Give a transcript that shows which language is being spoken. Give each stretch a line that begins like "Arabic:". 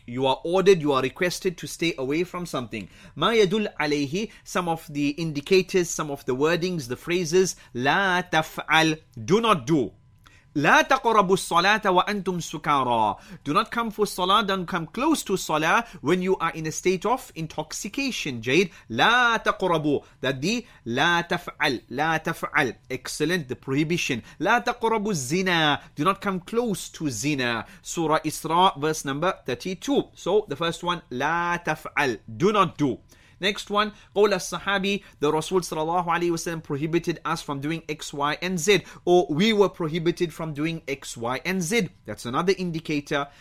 English: You are ordered, you are requested to stay away from something.
Arabic: ما يدل عليه,
English: some of the indicators, some of the wordings, the phrases, لا تفعل, do not do.
Arabic: لا تقربوا الصلاة وأنتم سكارى,
English: do not come for salah, don't come close to salah when you are in a state of intoxication.
Arabic: جيد. لا تقربوا, that the لا تفعل, لا تفعل,
English: excellent, the prohibition.
Arabic: لا تقربوا الزنا,
English: do not come close to zina. Surah Isra, verse number 32. So the first one, لا تفعل, do not do. Next one,
Arabic: قول الصحابي,
English: the Rasul sallallahu alayhi wasallam prohibited us from doing X, Y, and Z. Or we were prohibited from doing X, Y, and Z. That's another indicator.